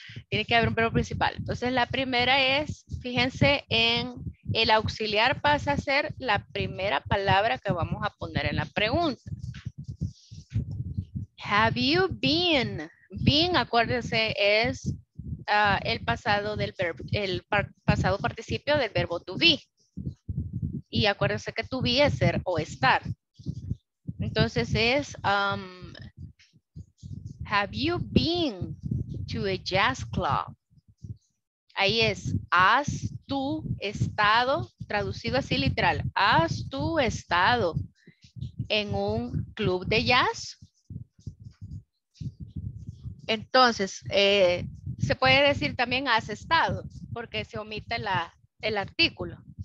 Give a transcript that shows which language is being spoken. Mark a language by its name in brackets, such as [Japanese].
[Spanish] Tiene que haber un verbo principal. Entonces, la primera es, fíjense, en el auxiliar pasa a ser la primera palabra que vamos a poner en la pregunta. [English] Have you been? Been, [Spanish] acuérdense, es el pasado del verbo, el pasado participio del verbo to be. Y acuérdense que to be es ser o estar. Entonces es, [English] have you been to a jazz club? [Spanish] Ahí es, has tú estado, traducido así literal, has tú estado en un club de jazz. Entonces, se puede decir también has estado, porque se omite el artículo.